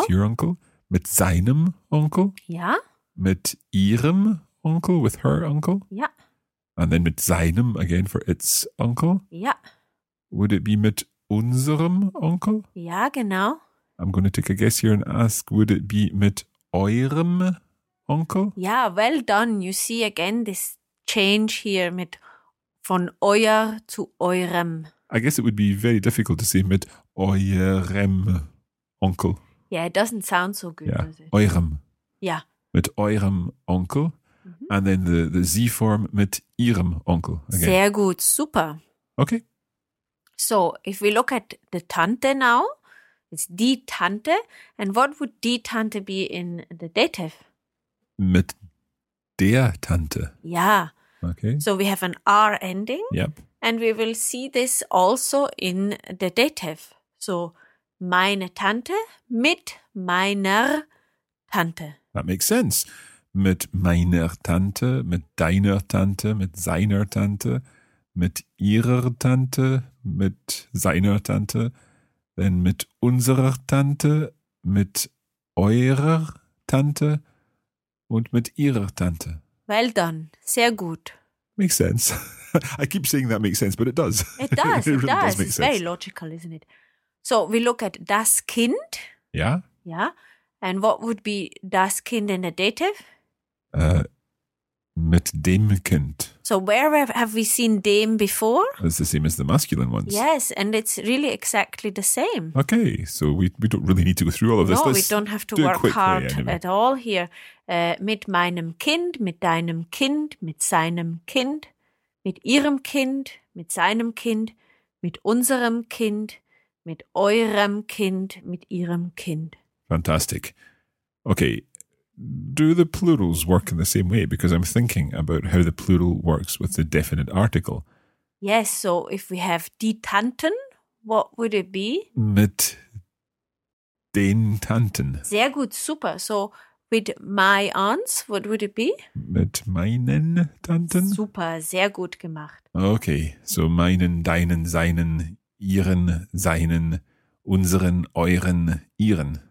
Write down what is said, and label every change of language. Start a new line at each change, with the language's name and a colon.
English: With your uncle,
German: mit seinem Onkel. Ja. Mit ihrem Onkel,
English: with her uncle.
German: Ja.
English: And then mit seinem again for its uncle.
German: Ja.
English: Would it be
German: mit unserem Onkel? Ja, genau.
English: I'm going to take a guess here and ask, would it be
German: mit eurem Onkel?
English: Ja, well done. You see again this change here
German: mit von euer zu eurem.
English: I guess it would be very difficult to say
German: mit eurem Onkel.
English: Yeah, it doesn't sound so good, yeah. Does it?
German: Eurem.
English: Yeah.
German: Mit eurem Onkel. Mm-hmm.
English: And then the Z form
German: mit ihrem Onkel.
English: Again.
German: Sehr gut, super.
English: Okay. So, if we look at the Tante now, it's die Tante. And what would die Tante be in the dative?
German: Mit der Tante.
English: Yeah. Okay. So we have an R ending. Yep. And we will see this also in the dative.
German: So, meine Tante mit meiner Tante.
English: That makes sense.
German: Mit meiner Tante, mit deiner Tante, mit seiner Tante. Mit ihrer Tante, mit seiner Tante, then mit unserer Tante, mit eurer Tante und mit ihrer Tante.
English: Well done.
German: Sehr gut.
English: Makes sense. I keep saying that makes sense, but it does. It does. It really does. It's very logical, isn't it? So we look at das Kind. Yeah. Yeah. And what would be das Kind in the dative?
German: Mit dem Kind.
English: So where have we seen dem before? It's the same as the masculine ones. Yes, and it's really exactly the same. Okay, so we don't really need to go through all of this. No, we don't have to work hard at all here.
German: Mit meinem Kind, mit deinem Kind, mit seinem Kind, mit ihrem Kind, mit seinem Kind, mit unserem Kind, mit eurem Kind, mit ihrem Kind.
English: Fantastic. Okay. Do the plurals work in the same way? Because I'm thinking about how the plural works with the definite article. Yes, so if we have die Tanten, what would it be?
German: Mit den Tanten. Sehr gut, super.
English: So with my aunts, what would it be?
German: Mit meinen Tanten. Super, sehr gut gemacht.
English: Okay, so
German: meinen, deinen, seinen, ihren, seinen, unseren, euren, ihren.